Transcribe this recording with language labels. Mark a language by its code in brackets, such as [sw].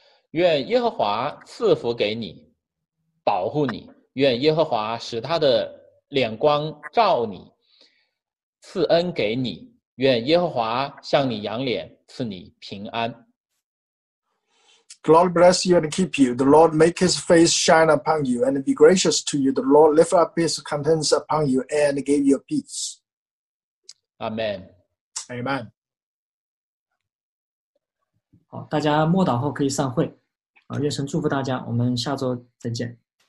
[zh] 愿耶和华赐福给你，保护你，愿耶和华使他的脸光照你，赐恩给你，愿耶和华向你扬脸，赐你平安。 [en] The Lord bless you and keep you. The Lord make his face shine upon you and be gracious to you. The Lord lift up his countenance upon you and give you peace. Amen. Amen. [zh] 好，大家默祷后可以散会。愿神祝福大家，我们下周再见。